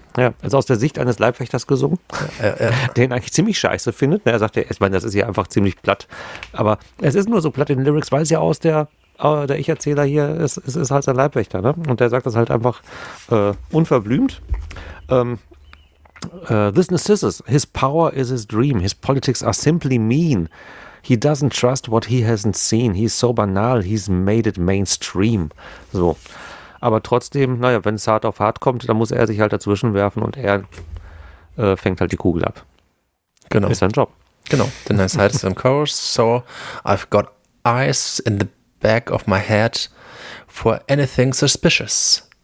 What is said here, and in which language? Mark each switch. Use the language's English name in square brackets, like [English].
[German] Ja, also aus der Sicht eines Leibwächters gesungen, der ihn eigentlich ziemlich scheiße findet. Er sagt ja, ich meine, das ist ja einfach ziemlich platt. Aber es ist nur so platt in den Lyrics, weil es ja aus der Ich-Erzähler hier ist, es ist halt sein Leibwächter. Ne? Und der sagt das halt einfach unverblümt. [English] This Narcissus, his power is his dream. His politics are simply mean. He doesn't trust what he hasn't seen. He's so banal, he's made it mainstream. [German] So. Aber trotzdem, naja, wenn es hart auf hart kommt, dann muss er sich halt dazwischen werfen und er fängt halt die Kugel ab. Genau. Ist sein Job. Genau. [English] Then I said some course, so I've got eyes in the back of my head for anything suspicious.